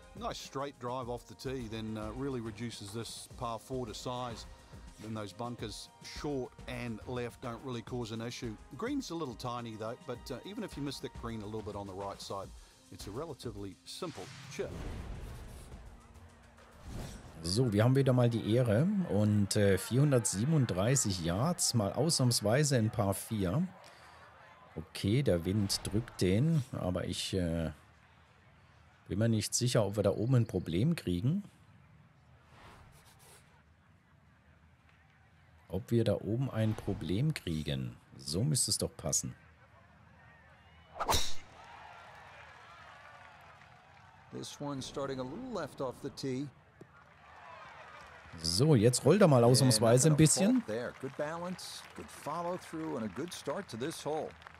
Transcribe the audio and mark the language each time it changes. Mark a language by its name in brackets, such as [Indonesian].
[English] Nice straight drive off the tee, then really reduces this par 4 to size. Then those bunkers, short and left, don't really cause an issue. Green's a little tiny though, but even if you miss that green a little bit on the right side, it's a relatively simple chip. [German] So, wir haben wieder mal die Ehre und 437 Yards, mal ausnahmsweise ein paar 4. Okay, der Wind drückt den, aber ich bin mir nicht sicher, ob wir da oben ein Problem kriegen. Ob wir da oben ein Problem kriegen. So müsste es doch passen. [English] This one starting a little left off the tee. [German] So, jetzt rollt er mal ausnahmsweise ein bisschen. [English] Good balance, good follow through and a good start to this hole.